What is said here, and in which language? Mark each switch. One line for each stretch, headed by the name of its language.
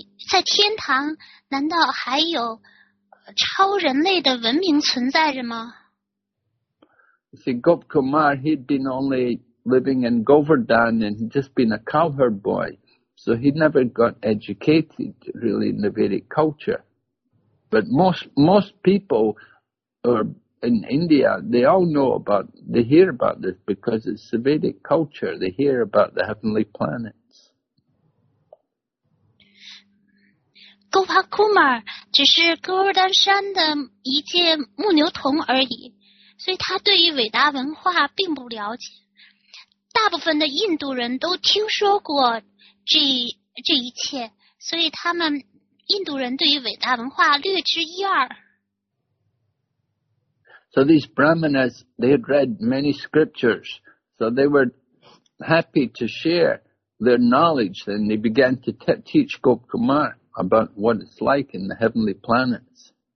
Chinese: 在天堂难道还有超人类的文明存在着吗？
English: See, Gopa Kumar, he'd been only living in Govardhan and just been a cowherd boy, so he never got educated really in the Vedic culture. But most people are in India, they all know about, they hear about this because it's the Vedic culture, they hear about the heavenly planet.
Chinese: Gopa Kumar 只是哥尔丹山的一介牧牛童而已，所以他对于伟大文化并不了解。大部分的印度人都听说过这一切，所以他们印度人对于伟大文化略知一二。
English: So these Brahmanas, they had read many scriptures, so they were happy to share their knowledge, and they began to teach Gopa Kumar. About what it's like in the heavenly planets.